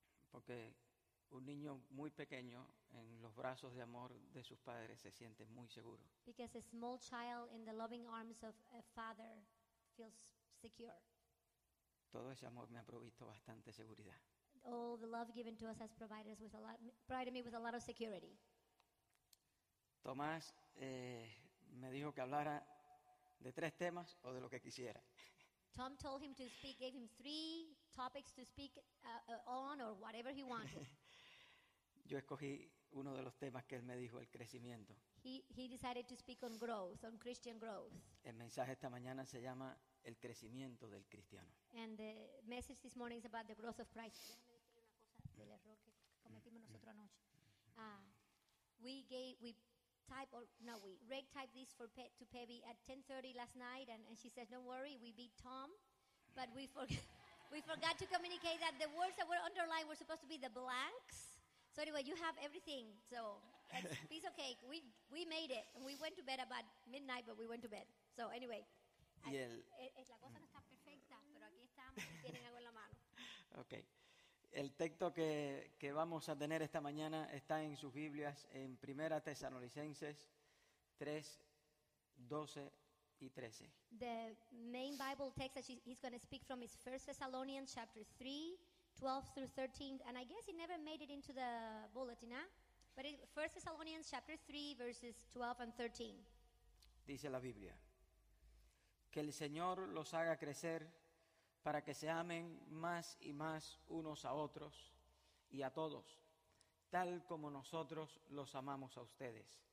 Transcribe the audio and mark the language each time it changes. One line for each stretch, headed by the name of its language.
Spanish: Porque un niño muy pequeño en los brazos de amor de sus padres se siente muy seguro.
English: Because a small child in the loving arms of a father feels secure.
Spanish: Todo ese amor me ha provisto bastante seguridad.
English: All the love given to us has provided me with a lot of security.
Spanish: Tomás me dijo que hablara de tres temas o de lo que quisiera.
English: Tom told him to speak, gave him three topics to speak on or whatever he wanted.
Spanish: Yo escogí uno de los temas que él me dijo, el crecimiento.
English: He decided to speak on growth, on Christian growth.
Spanish: El mensaje esta mañana se llama el crecimiento del cristiano.
English: And the message this morning is about the growth of Christ.
Spanish: Déjame decirle una cosa del error que cometimos nosotros anoche.
English: Reg typed this to Pebby at 10:30 last night, and she says, "Don't worry, we beat Tom," but we forgot to communicate that the words that were underlined were supposed to be the blanks. So anyway, you have everything, so that's piece of cake. We made it, and we went to bed about midnight, but we went to bed. So anyway,
Spanish: la cosa no está perfecta, pero aquí estamos, tienen algo en la mano.
English: Okay.
Spanish: El texto que vamos a tener esta mañana está en sus Biblias en Primera Tesalonicenses 3, 12 y 13.
English: The main Bible text that he's going to speak from is 1 Thessalonians chapter 3, 12 through 13. And I guess he never made it into the bulletin, huh? But 1 Thessalonians chapter 3, verses 12 and 13.
Spanish: Dice la Biblia, que el Señor los haga crecer para que se amen más y más unos a otros y a todos, tal como nosotros los amamos a ustedes.